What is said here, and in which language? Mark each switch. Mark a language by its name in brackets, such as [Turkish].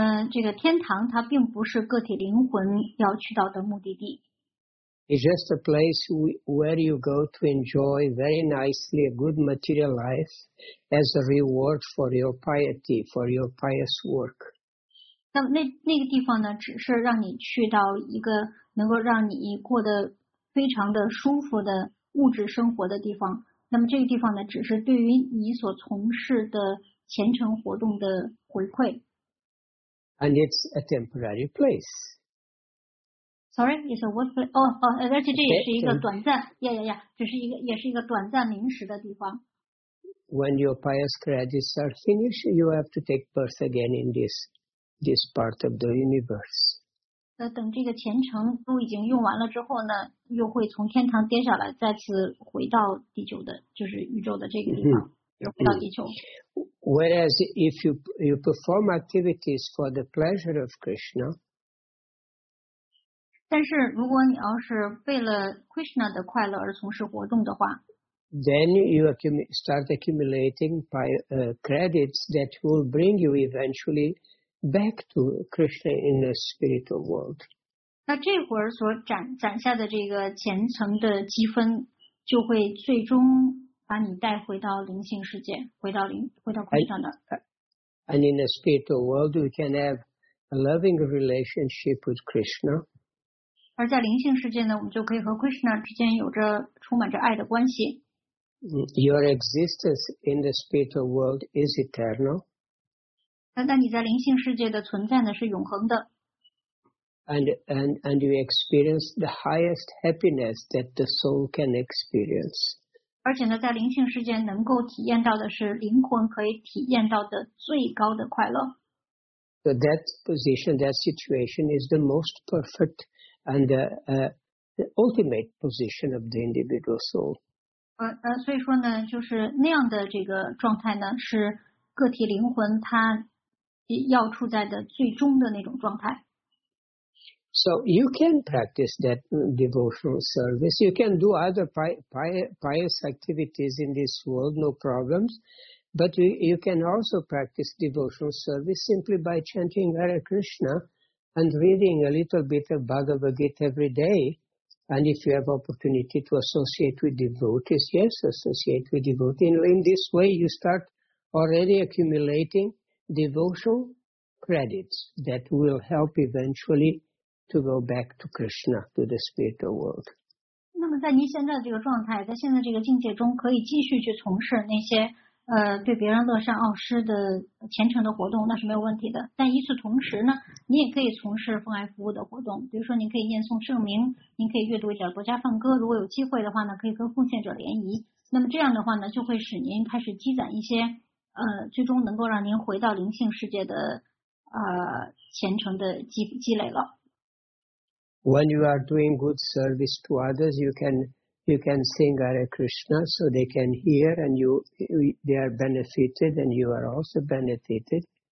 [Chinese] 这个天堂它并不是个体灵魂要去到的目的地。 [English] It's just a place where you go to enjoy very nicely a good material life as a reward for your piety, for your pious work. [Chinese] 那个地方呢，只是让你去到一个能够让你过得非常的舒服的物质生活的地方。那么这个地方呢，只是对于你所从事的虔诚活动的回馈。 [English] And it's a temporary place. Sorry, it's a what? [Chinese] Oh, 而且这也是一个短暂 ，yeah, 只是一个，也是一个短暂临时的地方。 [English] When your pious credits are finished, you have to take birth again in this part of the universe. [Chinese] 等这个虔诚都已经用完了之后呢，又会从天堂跌下来，再次回到地球的，就是宇宙的这个地方。 Mm-hmm. [English] Whereas if you perform activities for the pleasure of Krishna, [Chinese] 但是如果你要是为了 Krishna 的快乐而从事活动的话 [English] then you start accumulating credits that will bring you eventually back to Krishna in the spiritual world. [Chinese] 那这会儿所攒下的这个虔诚的积分就会最终把你带回到灵性世界，回到空上的。 [English] And in the spiritual world, we can have a loving relationship with Krishna. [Chinese] 而在灵性世界呢，我们就可以和 Krishna 之间有着充满着爱的关系。 [English] Your existence in the spiritual world is eternal. [Chinese] 那你在灵性世界的存在呢，是永恒的。 [English] And you experience the highest happiness that the soul can experience. [Chinese] 而且呢，在灵性世界能够体验到的是灵魂可以体验到的最高的快乐。 [English] So that position, that situation is the most perfect and the ultimate position of the individual soul. [Chinese] 所以说呢，就是那样的这个状态呢，是个体灵魂它要处在的最终的那种状态。 [English] So you can practice that devotional service. You can do other pious activities in this world, no problems. But you can also practice devotional service simply by chanting Hare Krishna and reading a little bit of Bhagavad Gita every day. And if you have opportunity to associate with devotees, yes, associate with devotees. In this way, you start already accumulating devotional credits that will help eventually. To go back to Krishna, to the spiritual world. [Chinese] 那么在您现在的这个状态，在现在这个境界中，可以继续去从事那些对别人乐善好施的虔诚的活动，那是没有问题的。但与此同时呢，你也可以从事奉爱服务的活动，比如说您可以念诵圣名，您可以阅读一点国家梵歌，如果有机会的话呢，可以跟奉献者联谊。那么这样的话呢，就会使您开始积攒一些最终能够让您回到灵性世界的虔诚的积累了。 [English] When you are doing good service to others, you can sing Hare Krishna so they can hear and they are benefited and you are also benefited.